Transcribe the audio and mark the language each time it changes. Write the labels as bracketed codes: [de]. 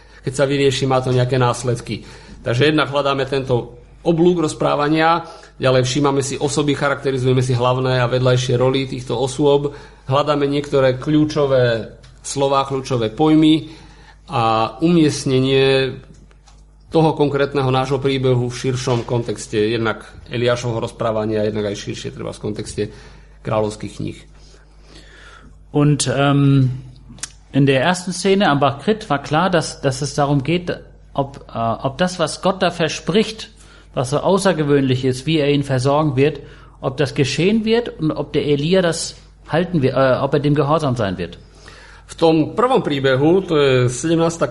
[sk] Keď sa vyrieši, má to nejaké následky. Takže jednak hľadáme tento oblúk rozprávania, ďalej všímame si osoby, charakterizujeme si hlavné a vedľajšie roli týchto osôb, hľadáme niektoré kľúčové slová, kľúčové pojmy a umiestnenie toho konkrétneho nášho príbehu v širšom kontexte, jednak Eliášovho rozprávania, jednak aj širšie treba v kontexte kráľovských kníh. [de] Und in der ersten Szene am Bachrit war klar, dass es darum geht, ob das, was Gott da verspricht, was so außergewöhnlich ist, wie er ihn versorgen wird, ob das geschehen wird und ob der Elia das halten wird, ob er dem gehorsam sein wird. [sk] V tom prvom príbehu, to je 17.